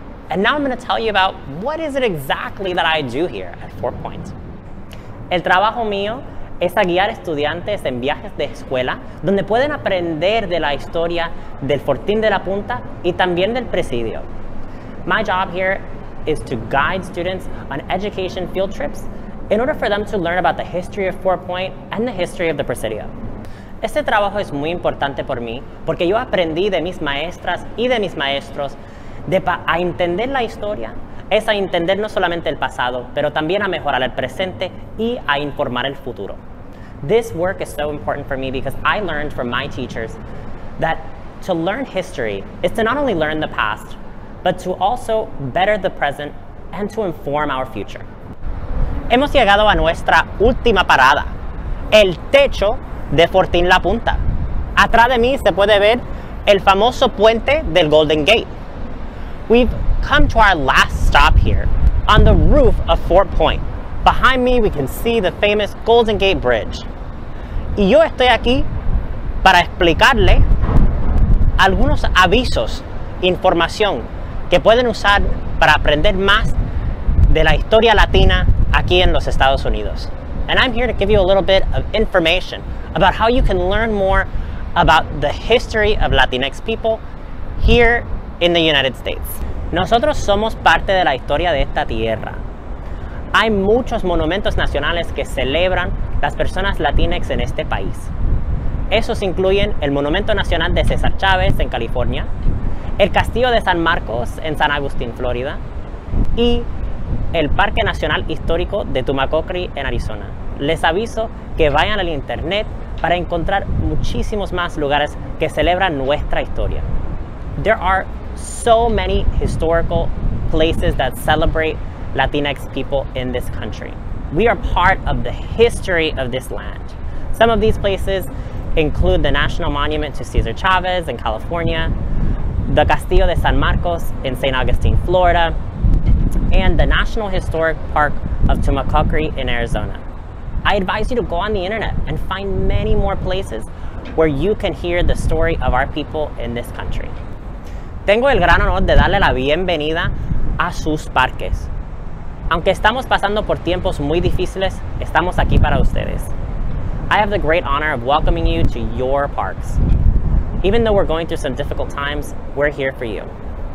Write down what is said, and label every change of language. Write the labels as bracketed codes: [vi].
[en] And now I'm going to tell you about what is it exactly that I do here at Fort Point. [es] El trabajo mío es a guiar estudiantes en viajes de escuela donde pueden aprender de la historia del Fortín de la Punta y también del Presidio. [en] My job here is to guide students on education field trips in order for them to learn about the history of Fort Point and the history of the Presidio. [es] Este trabajo es muy importante por mí porque yo aprendí de mis maestras y de mis maestros a entender la historia es a entender no solamente el pasado, pero también a mejorar el presente y a informar el futuro. [en] This work is so important for me because I learned from my teachers that to learn history is to not only learn the past, but to also better the present and to inform our future. [es] Hemos llegado a nuestra última parada, el techo de Fortín La Punta. Atrás de mí se puede ver el famoso puente del Golden Gate. [en] We've come to our last stop here, on the roof of Fort Point. Behind me, we can see the famous Golden Gate Bridge. [es] Y yo estoy aquí para explicarle algunos avisos, información que pueden usar para aprender más de la historia latina aquí en los Estados Unidos. [en] And I'm here to give you a little bit of information about how you can learn more about the history of Latinx people here in the United States. [es] Nosotros somos parte de la historia de esta tierra. Hay muchos monumentos nacionales que celebran las personas Latinx en este país. Esos incluyen el Monumento Nacional de César Chávez en California, el Castillo de San Marcos en San Agustín, Florida, y el Parque Nacional Histórico de Tumacocri en Arizona. Les aviso que vayan al internet para encontrar muchísimos más lugares que celebran nuestra historia. [en] There are so many historical places that celebrate Latinx people in this country. We are part of the history of this land. Some of these places include the National Monument to Cesar Chavez in California, the Castillo de San Marcos in St. Augustine, Florida, and the National Historic Park of Tumacocri in Arizona. I advise you to go on the internet and find many more places where you can hear the story of our people in this country. [es] Tengo el gran honor de darle la bienvenida a sus parques. Aunque estamos pasando por tiempos muy difíciles, estamos aquí para ustedes. [en] I have the great honor of welcoming you to your parks. Even though we're going through some difficult times, we're here for you.